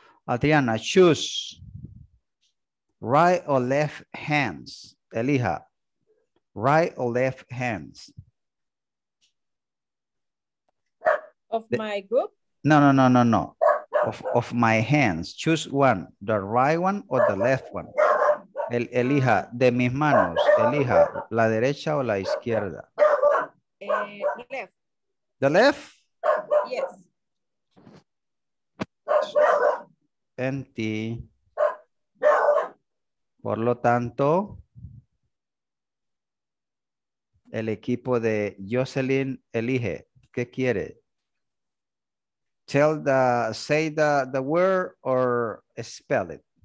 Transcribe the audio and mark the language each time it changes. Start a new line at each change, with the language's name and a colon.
English: Adriana, choose right or left hands.
Spanish: Elija,
English: right or left hands. Of my group? No, no, no, no, no. Of my hands, choose one, the right one or the left one.
Spanish: Elija de mis manos, elija la derecha o la izquierda.
English: Left. The left? Yes. Empty.
Spanish: Por lo tanto, el equipo de Jocelyn elige. ¿Qué quiere?
English: Tell the, say the word or spell it.